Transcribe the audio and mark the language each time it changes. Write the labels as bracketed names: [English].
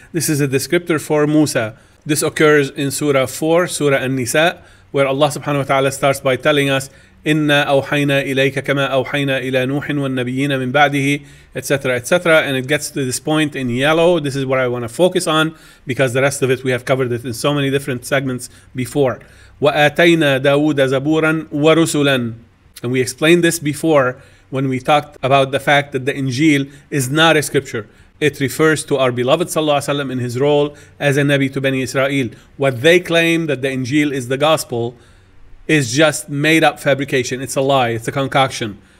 [English] This is a descriptor for Musa. This occurs in Surah 4, Surah An-Nisa, where Allah subhanahu wa ta'ala starts by telling us, [Arabic] إنا أوحينا إليك كما أوحينا إلى نوح والنبيين من بعده, [English] etc., etc. And it gets to this point in yellow. This is what I want to focus on, because the rest of it we have covered it in so many different segments before. [Arabic] وآتينا داود زبورا ورسلا. [English] And we explained this before when we talked about the fact that the Injil is not a scripture. It refers to our beloved sallallahu alaihi wasallam in his role as a Nabi to Bani Israel. What they claim that the Injil is the gospel is just made up fabrication. It's a lie. It's a concoction.